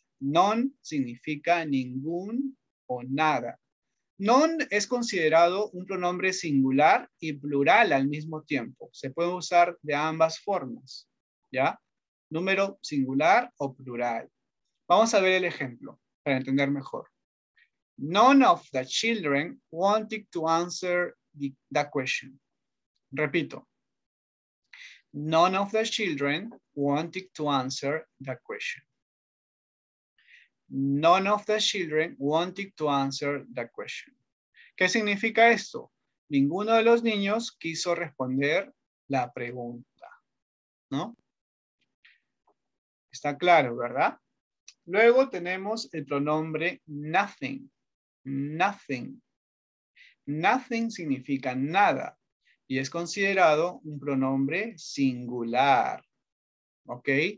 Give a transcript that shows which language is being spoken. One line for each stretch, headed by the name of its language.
Spanish: None significa ningún o nada. None es considerado un pronombre singular y plural al mismo tiempo. Se puede usar de ambas formas, ¿ya? Número singular o plural. Vamos a ver el ejemplo para entender mejor.
English: None of the children wanted to answer the question.
Spanish: Repito.
English: None of the children wanted to answer the question. None of the children wanted to answer the question.
Spanish: ¿Qué significa esto? Ninguno de los niños quiso responder la pregunta. ¿No? Está claro, ¿verdad? Luego tenemos el pronombre nothing. Nothing. Nothing significa nada. Y es considerado un pronombre singular. ¿Ok?